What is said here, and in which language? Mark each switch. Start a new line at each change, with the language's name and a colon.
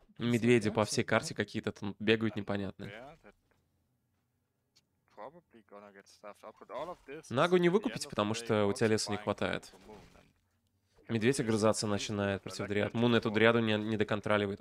Russian: Медведи по всей карте какие-то там бегают непонятные.
English: Probably gonna get stuffed up, but all of this.
Russian: Нагу не выкупить, потому что у тебя леса не хватает. Медведь огрызаться начинает против дриад. Мун эту дриаду не доконтроливает.